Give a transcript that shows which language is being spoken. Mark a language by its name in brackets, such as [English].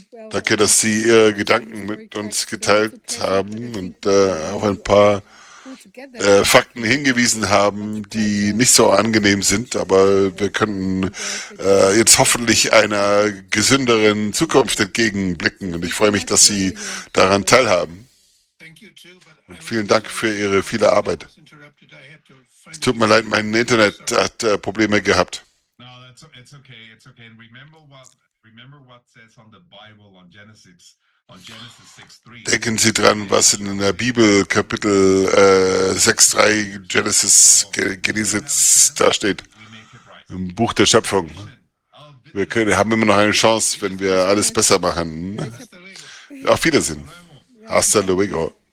[German] Danke, dass Sie Ihre Gedanken mit uns geteilt haben und auf ein paar Fakten hingewiesen haben, die nicht so angenehm sind, aber wir können jetzt hoffentlich einer gesünderen Zukunft entgegenblicken und ich freue mich, dass Sie daran teilhaben. Und vielen Dank für Ihre viele Arbeit. Es tut mir leid, mein Internet hat Probleme gehabt. [English] It's okay. And remember what says on the Bible on Genesis 6:3. [German] Denken Sie dran, was in der Bibel Kapitel 6:3 Genesis da steht. im Buch der Schöpfung. Wir können, haben immer noch eine Chance, wenn wir alles besser machen. Auf Wiedersehen. [Spanish] Hasta luego.